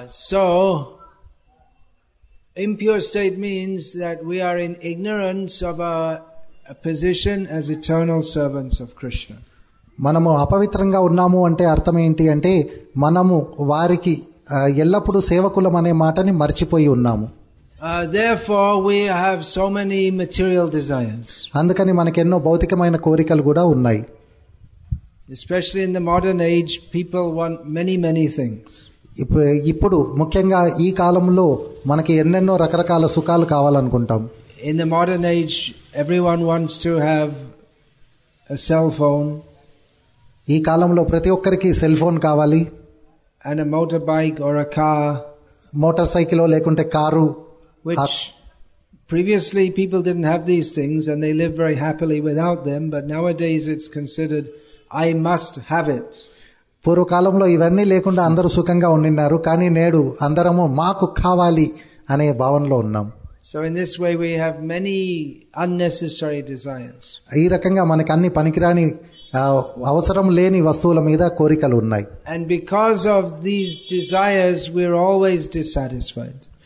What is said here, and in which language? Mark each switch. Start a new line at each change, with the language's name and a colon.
English: So impure state means that we are in ignorance of our position as eternal servants of Krishna.
Telugu: మనము అపవిత్రంగా ఉన్నాము అంటే అర్థం ఏంటి అంటే మనము వారికి ఎల్లప్పుడు సేవకులం అనే మాటని మర్చిపోయి ఉన్నాము.
English: Therefore we have so many material desires.
Telugu: అందుకని మనకి ఎన్నో భౌతికమైన కోరికలు కూడా ఉన్నాయి.
English: Especially in the modern age people want many things.
Telugu: ఇప్పుడు ముఖ్యంగా ఈ కాలంలో మనకి ఎన్నెన్నో రకరకాల సుఖాలు కావాలనుకుంటాం.
English: In the modern age everyone wants to have a cell phone.
Telugu: ఈ కాలంలో ప్రతి ఒక్కరికి సెల్ ఫోన్ కావాలి.
English: And a motorbike or a car.
Telugu: Motor cycle లేకుంటే car.
English: Which previously people didn't have these things and they lived very happily without them, but nowadays it's considered I must have it.
Telugu: పూర్వకాలంలో ఇవన్నీ లేకుండా అందరూ సుఖంగా ఉండిన్నారు, కానీ నేడు అందరము మాకు కావాలి అనే భావనలో ఉన్నాం.
English: So in this way we have many unnecessary desires.
Telugu: ఈ రకంగా మనకి అన్ని పనికిరాని అవసరం లేని వస్తువుల మీద కోరికలు ఉన్నాయి.
English: And because of these desires we are always dissatisfied.